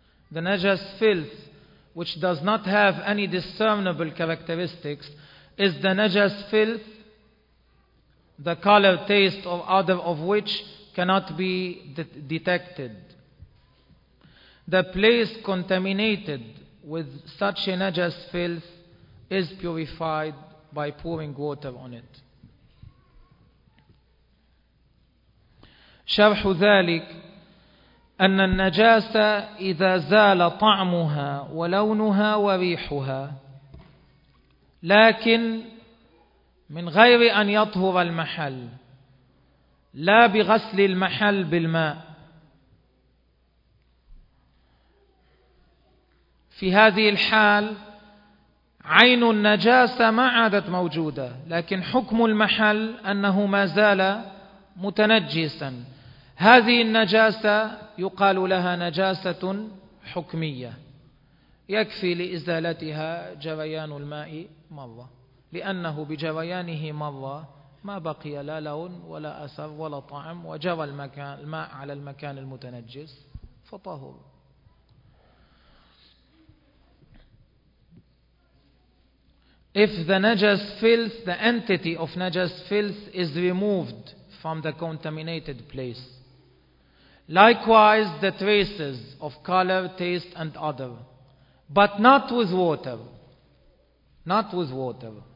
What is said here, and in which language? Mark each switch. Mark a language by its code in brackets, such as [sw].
[en] The najas filth which does not have any discernible characteristics is the najas filth, the color, taste or odor of which cannot be detected. The place contaminated with such a najas filth is purified by pouring water on it. [ar] شرح ذلك أن النجاسة إذا زال طعمها ولونها وريحها لكن من غير أن يطهر المحل، لا بغسل المحل بالماء، في هذه الحال عين النجاسة ما عادت موجودة، لكن حكم المحل أنه ما زال متنجسا. هذه النجاسة يقال لها نجاسة حكمية، يكفي لإزالتها جريان الماء مرة، لأنه بجريانه مرة ما بقي لا لون ولا أثر ولا طعم، وجرى الماء على المكان المتنجس فطهر. [en] If the najas filth, the entity of najas filth is removed from the contaminated place. Likewise, the traces of color, taste and odor, but not with water. Not with water.